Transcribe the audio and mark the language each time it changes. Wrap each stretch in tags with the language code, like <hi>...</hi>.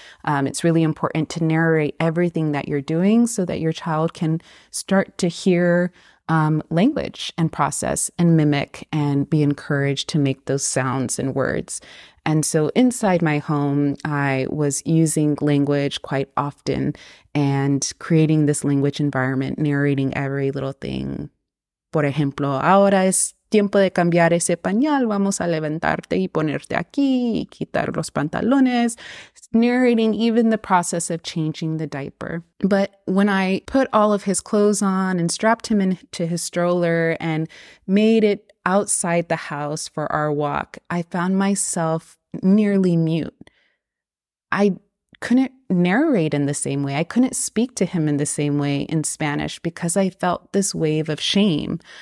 <en>It's really important to narrate everything that you're doing so that your child can start to hear language and process and mimic and be encouraged to make those sounds and words. And so inside my home, I was using language quite often and creating this language environment, narrating every little thing.</en> <es>Por ejemplo, ahora es tiempo de cambiar ese pañal. Vamos a levantarte y ponerte aquí y quitar los pantalones.</es> <en>Narrating even the process of changing the diaper. But when I put all of his clothes on and strapped him into his stroller and made it outside the house for our walk, I found myself nearly mute. I couldn't narrate in the same way. I couldn't speak to him in the same way in Spanish because I felt this wave of shame.</en>